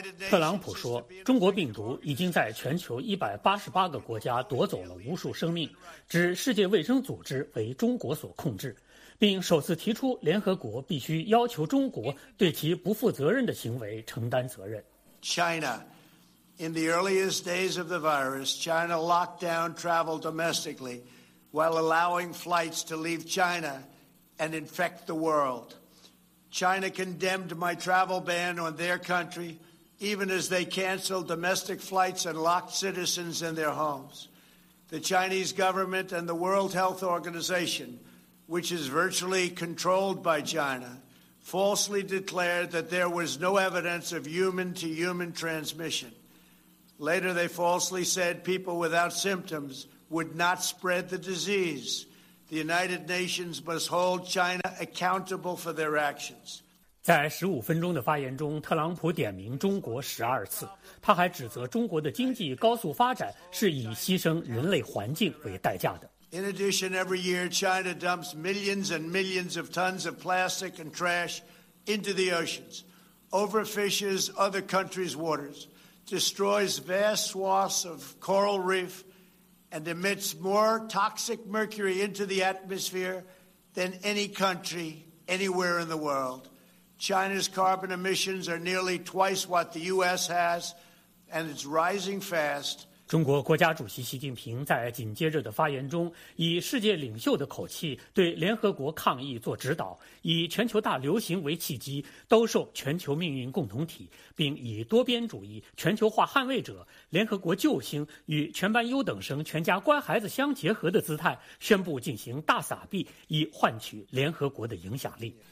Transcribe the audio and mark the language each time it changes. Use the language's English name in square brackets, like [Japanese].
[Chinese] 特朗普说，中国病毒已经在全球188个国家夺走了无数生命，指世界卫生组织为中国所控制，并首次提出联合国必须要求中国对其不负责任的行为承担责任。 [English] China, in the earliest days of the virus, China locked down travel domestically while allowing flights to leave China and infect the world. China condemned my travel ban on their country, even as they canceled domestic flights and locked citizens in their homes. The Chinese government and the World Health Organization, which is virtually controlled by China, falsely declared that there was no evidence of human-to-human transmission. Later, they falsely said people without symptoms would not spread the disease. The United Nations must hold China accountable for their actions. [Chinese] 在15分钟的发言中，特朗普点名中国12次，他还指责中国的经济高速发展是以牺牲人类环境为代价的。 [English] In addition, every year China dumps millions and millions of tons of plastic and trash into the oceans, overfishes other countries' waters, destroys vast swaths of coral reef. And emits more toxic mercury into the atmosphere than any country anywhere in the world. China's carbon emissions are nearly twice what the U.S. has, and it's rising fast. [Chinese] 中国国家主席习近平在紧接着的发言中，以世界领袖的口气对联合国抗议做指导，以全球大流行为契机兜售全球命运共同体，并以多边主义、全球化捍卫者、联合国救星与全班优等生、全家乖孩子相结合的姿态宣布进行大撒币，以换取联合国的影响力。